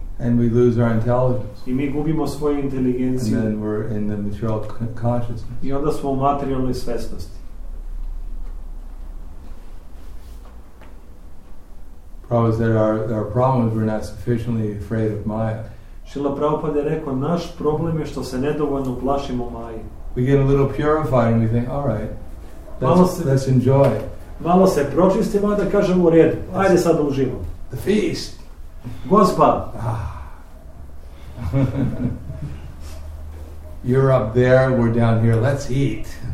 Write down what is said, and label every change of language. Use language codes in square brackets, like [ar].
[en] And we lose our intelligence. [sr] I mi gubimo svoju inteligenciju. [en] And then we're in the material consciousness. [sr] I onda smo u materijalnoj svesnosti. [en] Prabhupada said our problem is we're not sufficiently afraid of Maya. [sr] Srila Prabhupada je rekao, naš problem je što se nedovoljno plašimo Maje. [en] We get a little purified and we think, all right, let's enjoy. [sr] Malo se pročistimo, da kažemo u redu. Ajde sad da uživam. [en] The feast. [sr] Gospa. [en] You're up there, we're down here, let's eat.